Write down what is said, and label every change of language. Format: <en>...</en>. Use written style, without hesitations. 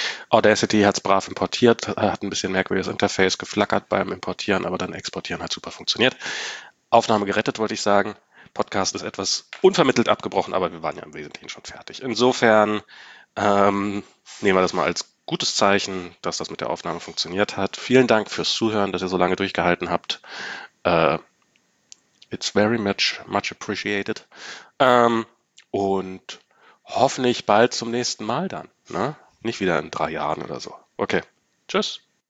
<de>Audacity hat es brav importiert, hat ein bisschen merkwürdiges Interface, geflackert beim Importieren, aber dann Exportieren hat super funktioniert. Aufnahme gerettet, wollte ich sagen. Podcast ist etwas unvermittelt abgebrochen, aber wir waren ja im Wesentlichen schon fertig. Insofern nehmen wir das mal als gutes Zeichen, dass das mit der Aufnahme funktioniert hat. Vielen Dank fürs Zuhören, dass ihr so lange durchgehalten habt.</de> <en>It's very much, much appreciated.</en> <de>Und hoffentlich bald zum nächsten Mal dann. Ne? Nicht wieder in 3 Jahren oder so. Okay, tschüss.</de>